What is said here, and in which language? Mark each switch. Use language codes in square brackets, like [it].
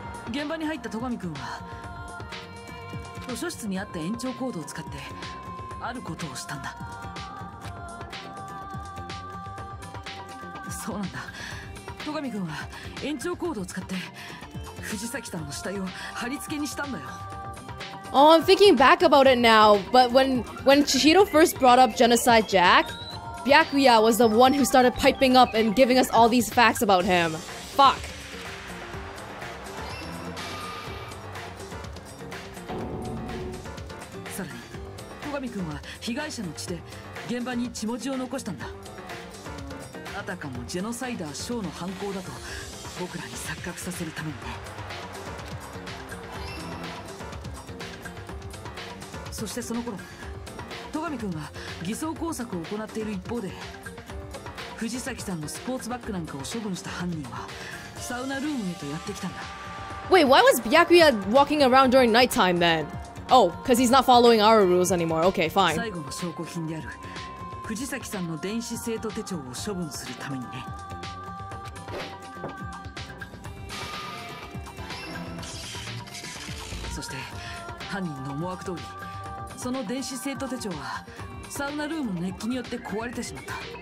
[ja] 現場に入った戸上君は図書室にあった延長コードを使ってあることをしたんだ。そうなんだ、戸上君は延長コードを使って藤崎さんの死体を貼り付けにしたんだよ。 [en] Oh, I'm thinking back about it now. But when Chihiro first brought up Genocide Jack, Byakuya was the one who started piping up and giving us all these facts about him. Fuck. [ja] さらに、戸上君は被害者の血で現場に血文字を残したんだ。あたかもジェノサイダーショーの犯行だと僕らに錯覚させるためにね。そしてその頃、戸上君は偽装工作を行っている一方で、藤崎さんのスポーツバッグなんかを処分した犯人はサウナルームへとやってきたんだ。 [en] Wait, why was Byakuya walking around during nighttime then? Oh, because he's not following our rules anymore. Okay, fine. [ja] 最後の証拠品である藤崎さんの電子生徒手帳を処分するためにね。そして犯人の思惑通り、その電子生徒手帳はサウナルームの熱気によって壊れてしまった。